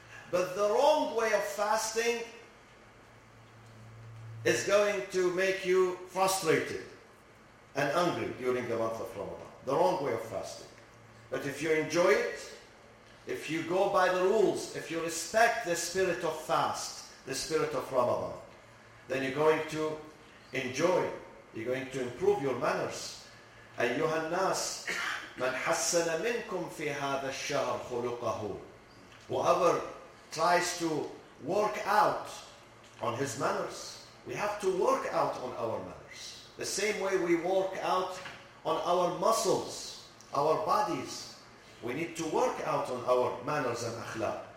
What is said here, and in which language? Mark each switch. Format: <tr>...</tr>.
<en>But the wrong way of fasting is going to make you frustrated and angry during the month of Ramadan. The wrong way of fasting. But if you enjoy it, if you go by the rules, if you respect the spirit of fast, the spirit of Ramadan, then you're going to enjoy, you're going to improve your manners.</en> <ar>أيها الناس من حسن منكم في هذا الشهر خلقه.</ar> <en>Whoever tries to work out on his manners, we have to work out on our manners. The same way we work out on our muscles, our bodies, we need to work out on our manners and akhlaq.</en>